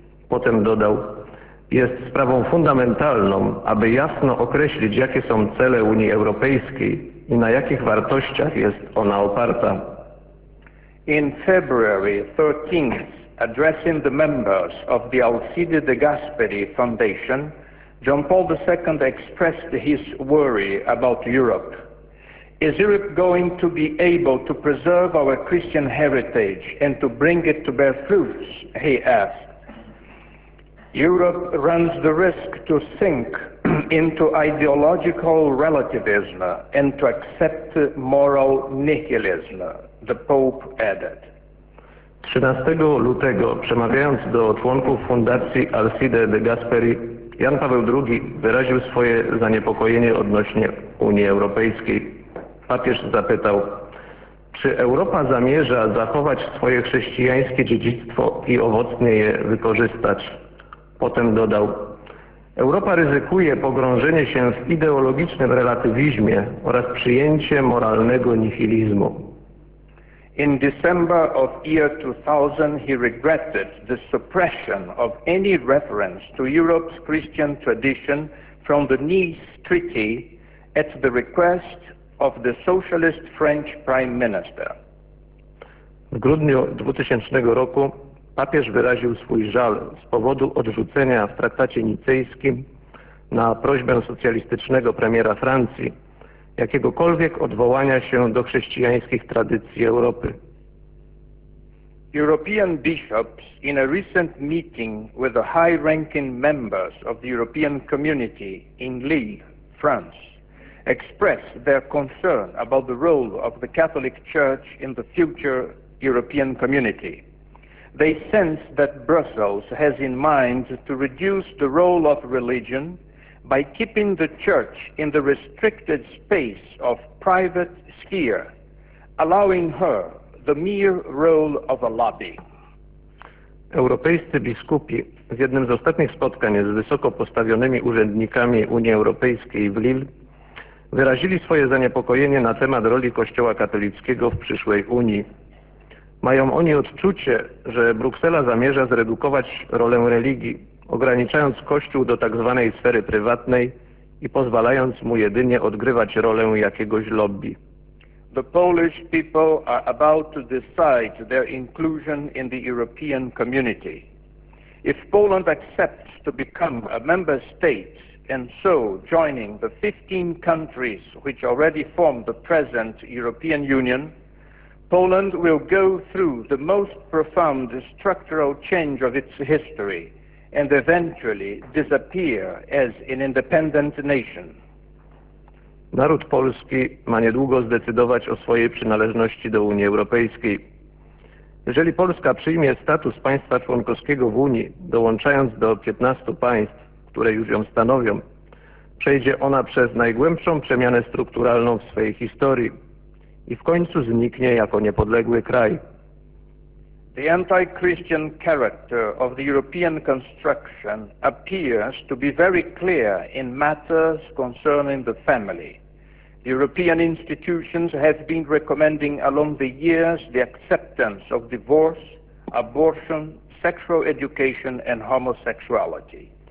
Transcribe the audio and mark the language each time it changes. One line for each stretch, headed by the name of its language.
Polish: Potem dodał, jest sprawą fundamentalną, aby jasno określić, jakie są cele Unii Europejskiej i na jakich wartościach jest ona oparta.
English: In February 13th, addressing the members of the Alcide de Gasperi Foundation, John Paul II expressed his worry about Europe. Is Europe going to be able to preserve our Christian heritage and to bring it to bear fruits, he asked. Europe runs the risk to sink into ideological relativism and to accept moral nihilism, the Pope added.
Polish: 13 lutego, przemawiając do członków Fundacji Alcide de Gasperi, Jan Paweł II wyraził swoje zaniepokojenie odnośnie Unii Europejskiej. Papież zapytał, czy Europa zamierza zachować swoje chrześcijańskie dziedzictwo i owocnie je wykorzystać? Potem dodał, Europa ryzykuje pogrążenie się w ideologicznym relatywizmie oraz przyjęcie moralnego nihilizmu.
English: In December of year 2000, he regretted the suppression of any reference to Europe's Christian tradition from the Nice Treaty at the request of the socialist French prime minister.
Polish: W grudniu 2000 roku papież wyraził swój żal z powodu odrzucenia w traktacie nicejskim na prośbę socjalistycznego premiera Francji jakiegokolwiek odwołania się do chrześcijańskich tradycji Europy.
English: European bishops in a recent meeting with the high-ranking members of the European Community in Lille, France, expressed their concern about the role of the Catholic Church in the future European Community. They sense that Brussels has in mind to reduce the role of religion by keeping the church in the restricted space of private sphere, allowing her the mere role of a lobby.
Polish: Europejscy biskupi w jednym z ostatnich spotkań z wysoko postawionymi urzędnikami Unii Europejskiej w Lille wyrazili swoje zaniepokojenie na temat roli Kościoła katolickiego w przyszłej Unii. Mają oni odczucie, że Bruksela zamierza zredukować rolę religii, ograniczając Kościół do tak zwanej sfery prywatnej i pozwalając mu jedynie odgrywać rolę jakiegoś lobby.
English: The Polish people are about to decide their inclusion in the European Community. If Poland accepts to become a member state and so joining the 15 countries which already form the present European Union, Poland will go through the most profound structural change of its history and eventually disappear as an independent nation.
Polish: Naród polski ma niedługo zdecydować o swojej przynależności do Unii Europejskiej. Jeżeli Polska przyjmie status państwa członkowskiego w Unii, dołączając do 15 państw, które już ją stanowią, przejdzie ona przez najgłębszą przemianę strukturalną w swojej historii i w końcu zniknie jako niepodległy kraj.
English: The anti-Christian character of the European construction appears to be very clear in matters concerning the family. The European institutions have been recommending along the years the acceptance of divorce, abortion, sexual education and homosexuality.